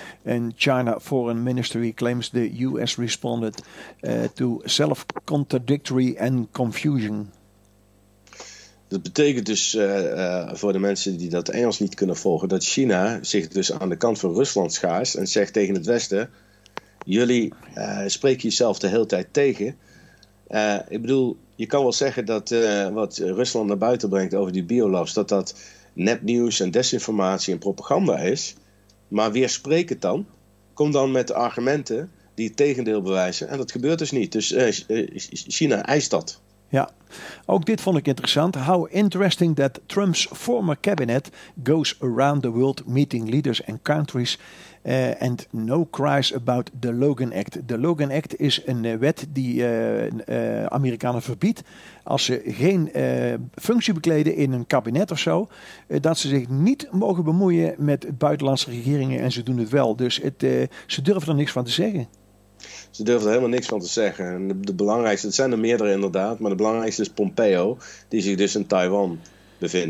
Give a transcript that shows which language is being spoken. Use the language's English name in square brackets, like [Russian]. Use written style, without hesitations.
[English] And China Foreign Ministry claims the US responded to self-contradictory and confusion. [Dutch] Dat betekent dus voor de mensen die dat Engels niet kunnen volgen, dat China zich dus aan de kant van Rusland schaart en zegt tegen het Westen, jullie spreken jezelf de hele tijd tegen. Ik bedoel, je kan wel zeggen dat wat Rusland naar buiten brengt over die biolabs, dat dat nepnieuws en desinformatie en propaganda is. Maar weerspreek het dan. Kom dan met argumenten die het tegendeel bewijzen. En dat gebeurt dus niet. Dus China eist dat. Ja, ook dit vond ik interessant. [English] How interesting that Trump's former cabinet goes around the world meeting leaders and countries and no cries about the Logan Act. [Dutch] De Logan Act is een wet die Amerikanen verbiedt als ze geen functie bekleden in een kabinet of zo, dat ze zich niet mogen bemoeien met buitenlandse regeringen en ze doen het wel. Dus ze durven er niks van te zeggen. Ze durven er helemaal niks van te zeggen. En de belangrijkste, het zijn er meerdere inderdaad, maar de belangrijkste is Pompeo, die zich dus in Taiwan bevindt.